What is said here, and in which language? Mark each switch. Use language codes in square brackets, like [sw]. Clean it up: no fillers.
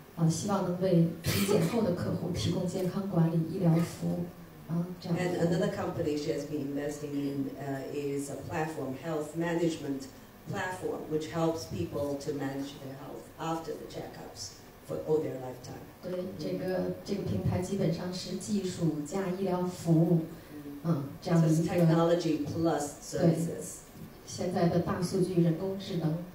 [zh] 希望能为体检后的客户提供健康管理、医疗服务，这样。And [en] another company she has been investing in is a platform, health management platform, which helps people to manage their health after the checkups for all their lifetime. [zh] 对，这个平台基本上是技术加医疗服务，这样的一个。So [en] technology plus services. [zh] 现在的大数据、人工智能。